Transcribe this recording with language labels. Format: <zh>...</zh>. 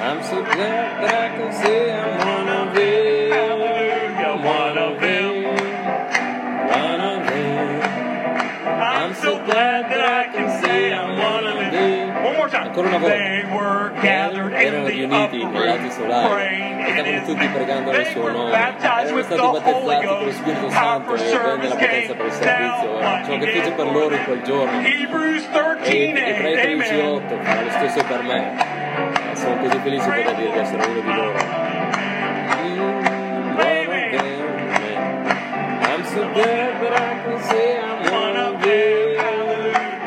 <en>I'm so glad that I can say I'm one of them. Hallelujah. One of them. One of them. I'm so glad that I can say I'm one of them. One more time.</en> <it>Ancora una volta.</it> <en>They were gathered in the upper room.</en> <it>E stavano tutti pregando nel suo nome, erano stati battezzati con lo Spirito Santo e venne la potenza per il servizio. Ora, ciò che fece per loro in quel giorno, Ebrei 13:8 farà lo stesso per me. Sono così felice per dire di essere uno di loro.</it> <en>I'm so glad that I can say I'm one of them.</en>